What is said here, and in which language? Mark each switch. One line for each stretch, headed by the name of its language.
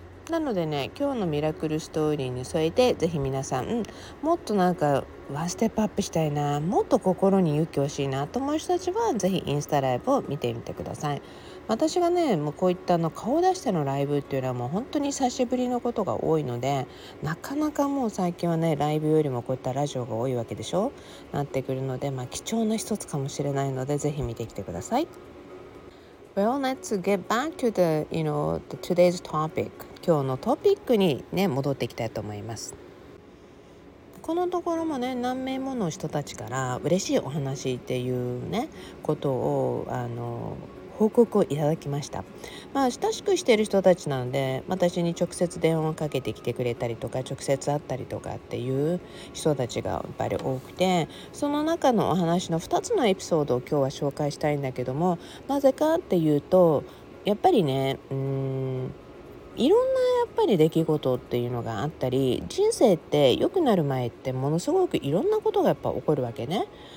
Japanese: なのでね、今日のミラクルストーリーに添えて、ぜひ皆さん、もっとなんかワンステップアップしたいな、もっと心に勇気欲しいなと思う人たちは、ぜひインスタライブを見てみてください。私がね、もうこういったの顔出してのライブっていうのはもう本当に久しぶりのことが多いので、なかなかもう最近はね、ライブよりもこういったラジオが多いわけでしょ、なってくるので、まあ貴重な一つかもしれないので、ぜひ見てきてください。
English: Well, let's get back to the, you know, the today's topic.
Japanese: 今日のトピックにね、戻っていきたいと思います。このところもね、何名もの人たちから嬉しいお話っていうね、ことを報告をいただきました。まあ親しくしている人たちなので、私に直接電話をかけてきてくれたりとか、直接会ったりとかっていう人たちがやっぱり多くて、その中のお話の2つのエピソードを今日は紹介したいんだけども、なぜかっていうと、やっぱりね、いろんなやっぱり出来事っていうのがあったり、人生って良くなる前ってものすごくいろんなことがやっぱ起こるわけね。